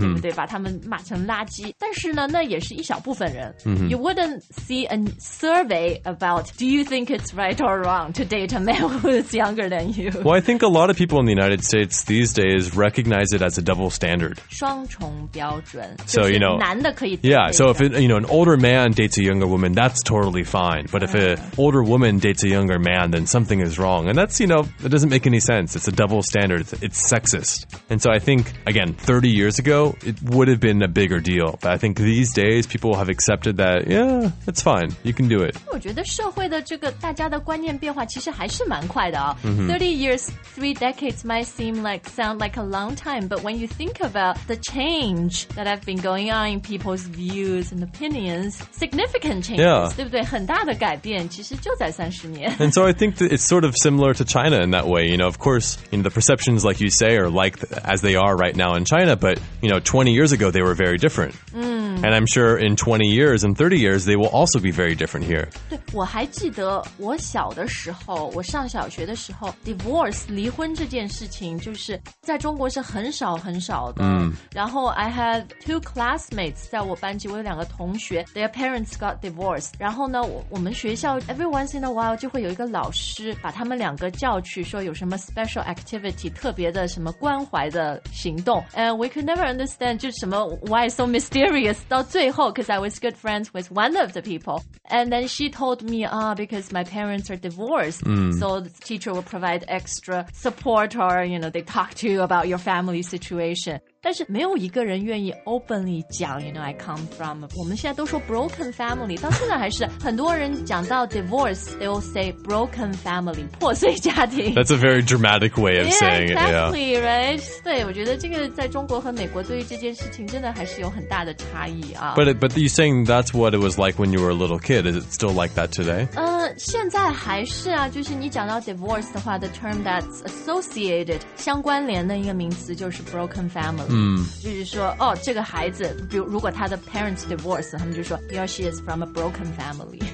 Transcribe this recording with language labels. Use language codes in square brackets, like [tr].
[zh] 对不对把他们骂成垃圾但是呢那也是一小部分人、 mm-hmm. [en] You wouldn't see a survey about Do you think it's right or wrong To date a man who's younger than you Well, I think a lot of people in the United States these days recognize it as a double standard. [zh] 双重标准 [en] So, you know, [zh] 男的可以 [en] Yeah, so if it, you know, an older man dates a younger woman, that's totally fine. But if an older woman dates a younger man, then something is wrong. And that's, you know, it doesn't make any sense. It's a double standard. It's sexist. And so I think, again, 30 years ago, it would have been a bigger deal. But I think these days, people have accepted that, yeah, it's fine. You can do it. [zh] 我觉得社会的这个大家的观念变化其实还是蛮快的哦。 Mm-hmm. [en] 30 years, three decades,might seem like sound like a long time but when you think about the change that have been going on in people's views and opinions significant changes、 yeah. [zh] 对不对很大的改变其实就在三十年 [en] and so I think that it's sort of similar to China in that way you know of course you know, the perceptions like you say are like as they are right now in China but you know 20 years ago they were very different、 mm. and I'm sure in 20 years and 30 years they will also be very different here [zh] 对我还记得我小的时候我上小学的时候 divorce 离婚这件事情就是在中国是很少很少的、嗯、然后 [en] I have two classmates [zh] 在我班级我有两个同学 [en] their parents got divorced [zh] 然后呢 我们学校 [en] every once in a while [zh] 就会有一个老师把他们两个叫去说有什么 [en] special activity [zh] 特别的什么关怀的行动 [en] and we could never understand [zh] 就什么 [en] why so mysterious [zh] 到最后 [en] because I was good friends with one of the people and then she told me because my parents are divorced、嗯、 so the teacher will provide extra support or, you know, they talk to you about your family situation. [zh] 但是没有一个人愿意 openly 讲 [en] You know, I come from [zh] 我们现在都说 broken family 到现在还是很多人讲到 divorce [en] They'll say broken family [zh] 破碎家庭 [en] That's a very dramatic way of saying it Yeah, exactly, right? [zh] 对我觉得这个在中国和美国对于这件事情真的还是有很大的差异啊 [en] But you're saying that's what it was like when you were a little kid Is it still like that today? [zh] 现在还是啊就是你讲到 divorce 的话 [en] The term that's associated [zh] 相关联的一个名词就是 broken family 嗯、就是说哦这个孩子比如如果他的 parents divorce 他们就说 [en] he or she is from a broken family